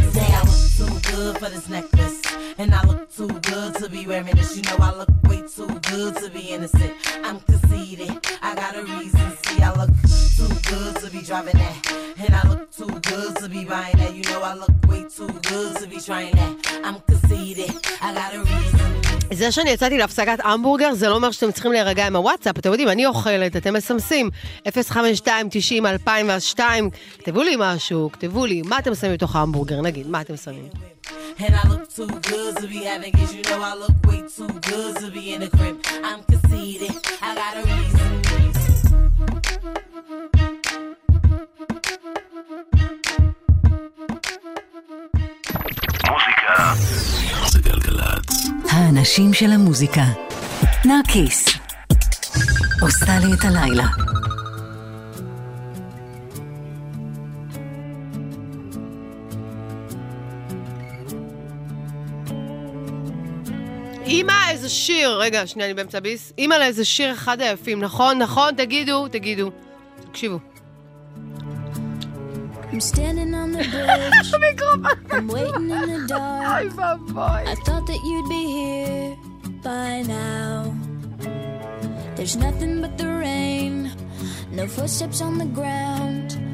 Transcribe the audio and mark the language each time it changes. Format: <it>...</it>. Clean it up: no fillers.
<en>Say, I look too good for this necklace. And I look too good to be wearing this. You know I look way too good to be innocent. I'm conceited, I got a reason. See, I look too good to be driving that. And I look too good to be buying that. You know I look way too good to be trying that. I'm conceited, I got a reason.</en> <he>זה שאני יצאתי להפסקת המבורגר, זה לא אומר שאתם צריכים להירגע עם הוואטסאפ. אתם יודעים, אני אוכלת, אתם מסמסים. 052-90-2002. כתבו לי משהו, כתבו לי. מה אתם שמים בתוך ההמבורגר? נגיד, מה אתם שמים?</he> <en>And I look too good to be having it. You know I look way too good to be in a crib. I'm conceited, I got a reason.</en> <he>האנשים של המוזיקה. נרקיס עושה לי את הלילה. אמא, איזה שיר, רגע, שנייה, אני באמצע ביס. אמא, איזה שיר אחד היפים, נכון, נכון, תגידו, תגידו, תקשיבו.</he> <en>I'm standing on the bridge. I'm waiting in the dark. I thought that you'd be here by now. There's nothing but the rain. No footsteps on the ground.</en>